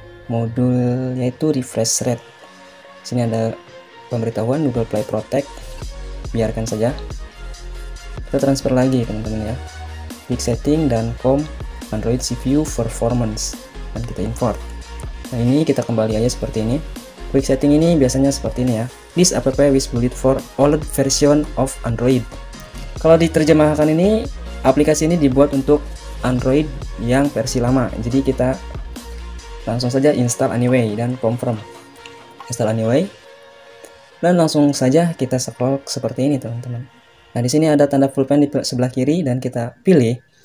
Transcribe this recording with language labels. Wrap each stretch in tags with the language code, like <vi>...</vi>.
<id>Modul yaitu refresh rate. Di sini ada pemberitahuan Google Play Protect. Biarkan saja. Kita transfer lagi, teman-teman ya. Quick setting dan COM Android CPU performance. Dan kita import. Nah, ini kita kembali aja seperti ini. Quick setting ini biasanya seperti ini ya.</id> <en>This app is built for old version of Android.</en> <id>Kalau diterjemahkan ini, aplikasi ini dibuat untuk Android yang versi lama. Jadi kita langsung saja</id> <en>install anyway</en> <id>dan confirm. Install anyway. Dan langsung saja kita scroll seperti ini, teman-teman. Nah, di sini ada tanda full pen di sebelah kiri dan kita pilih.</id>